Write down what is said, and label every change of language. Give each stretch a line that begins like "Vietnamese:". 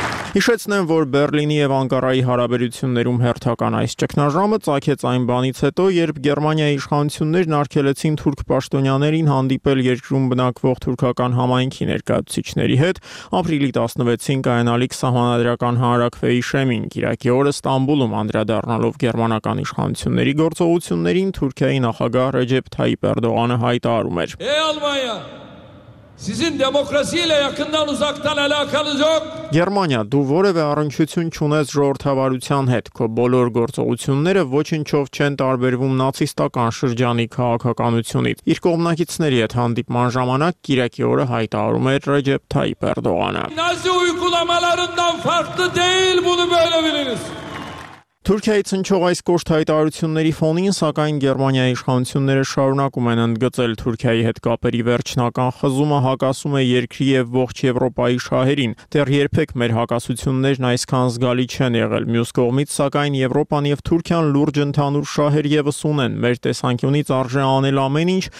Armenian: Հիշեցնեմ, որ Բեռլինի եւ Անկարայի հարաբերություններում հերթական այս ճգնաժամը ծագեց այն բանից հետո, երբ Գերմանիայի իշխանություններն արգելեցին թուրք պաշտոնյաներին հանդիպել երկրում բնակվող թուրքական համայնքի ներկայացուցիչների հետ ապրիլի 16-ին կայանալիք սահմանադրական հանրաքվեի Շեմին, Կիրակի օրը Ստամբուլում անդրադառնալով գերմանական իշխանությունների գործողություններին Թուրքիայի նախագահ Ռեջեփ Թայյիփ Էրդողանը հայտարարում էր.
Turkish: Sizin demokrasiyle yakından uzaktan alakanız yok.
Armenian: Գերմանիա, դու որևէ առնչություն չունես ժողովրդավարության հետ, քո բոլոր գործողությունները ոչնչով չեն տարբերվում նացիստական շրջանի քաղաքականությունից։ Իր կողմնակիցների հետ հանդիպման ժամանակ Կիրակի օրը հայտարարում էր Ռեջեփ Թայյիփ Էրդողանը.
Turkish: Nazi uygulamalarından farklı değil bunu böyle biliniz.
Armenian: Թուրքիայի ցնչող այս կոշտ հայտարարությունների ֆոնին, սակայն Գերմանիայի իշխանությունները շարունակում են ընդգծել Թուրքիայի հետ կապերի վերջնական խզումը հակասում է երկրի եւ ողջ Եվրոպայի շահերին։ Դեռ երբեք մեր հակասություններն այսքան զգալի չեն եղել։ Մյուս կողմից, սակայն Եվրոպան եւ Թուրքիան լուրջ ընդհանուր շահեր եւս ունեն։ Մեր տեսանկյունից արժե անել ամեն ինչ